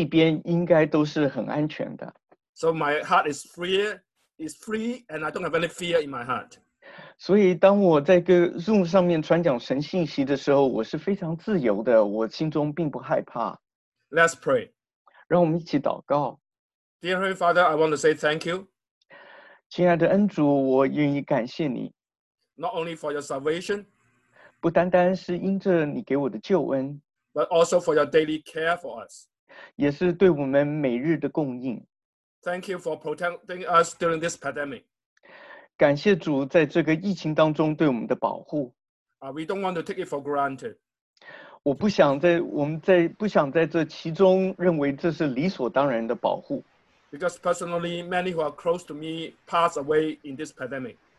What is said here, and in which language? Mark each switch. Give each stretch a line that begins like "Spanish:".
Chinese: 我只是想，如果只要我是传讲神的信息，大家在这边应该都是很安全的。
English: So my heart is free, and I don't have any fear in my heart.
Chinese: 所以当我在跟Zoom上面传讲神信息的时候，我是非常自由的，我心中并不害怕。
English: Let's pray.
Chinese: 让我们一起祷告。
English: Dear Heavenly Father, I want to say thank you.
Chinese: 亲爱的恩主，我愿意感谢你。
English: Not only for your salvation,
Chinese: 不单单是因着你给我的救恩,
English: but also for your daily care for us.
Chinese: 也是对我们每日的供应。
English: Thank you for protecting us during this pandemic.
Chinese: 感谢主在这个疫情当中对我们的保护。
English: We don't want to take it for granted.
Chinese: 我不想在这其中认为这是理所当然的保护。
English: Because personally, many who are close to me passed away in this pandemic.